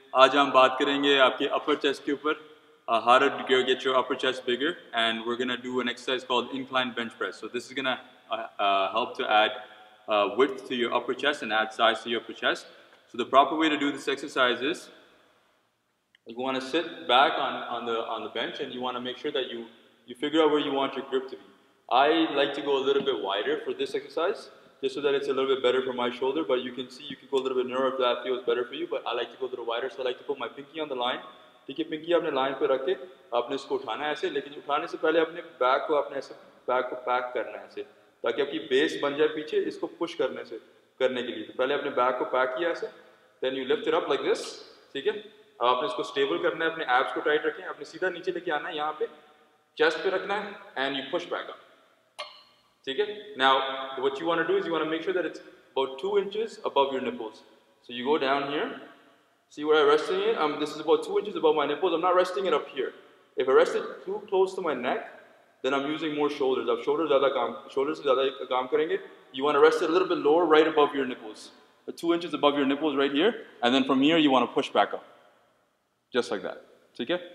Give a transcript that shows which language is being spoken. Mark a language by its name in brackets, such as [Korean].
[Hindi] आज हम बात करेंगे आपके अपर चेस्ट के ऊपर. [English] How to go get your upper chest bigger, and we're gonna do an exercise called incline bench press. So this is gonna help to add width to your upper chest and add size to your upper chest. So the proper way to do this exercise is you want to sit back on the bench, and you want to make sure that you figure out where you want your grip to be. I like to go a little bit wider for this exercise, just so that it's a little bit better for my shoulder. But you can see you can go a little bit narrower if that feels better for you. But I like to go a little wider, so I like to put my pinky on the line. [Hindi] ठीक है, पिंकी आपने line पे रख के आपने इसको उठाना है ऐसे. लेकिन उठाने से पहले अपने बैक को आपने ऐसे बैक को पैक करना है ऐसे, ताकि आपकी बेस बन जाए पीछे इसको पुश करने से करने के लिए. तो पहले आपने बैक को पैक किया ऐसे, [English] Then you lift it up like this. [Hindi] ठीक है, अब आपने इसको स्टेबल करना है, अपने एब्स को टाइट रखें, आपने सीधा नीचे लेके आना है, यहाँ पे चेस्ट पे रखना है, [English] And you push back up. [Hindi] ठीक है, [English] Now what you want to do is you want to make sure that it's about 2 inches above your nipples. So you go down here. See where I'm resting it? This is about 2 inches above my nipples. I'm not resting it up here. If I rest it too close to my neck, then I'm using more shoulders. Our shoulders are shoulders. You want to rest it a little bit lower, right above your nipples. 2 inches above your nipples right here. And then from here, you want to push back up. Just like that. Take it.